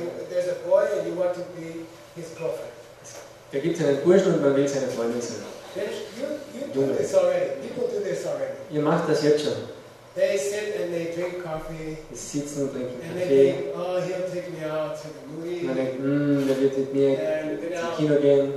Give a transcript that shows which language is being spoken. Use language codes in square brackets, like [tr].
[en] There's a boy and you want to be his girlfriend. [de] Da gibt es einen Burschen und man will seine Freundin sein. [en] You do this already. [de] Ihr macht das jetzt schon. [en] They sit and they drink coffee. [de] Sie sitzen und trinken [en] and [de] Kaffee. [en] They think, oh, he'll take me out to the movie. [de] Man denkt, der wird mit mir zum Kino gehen.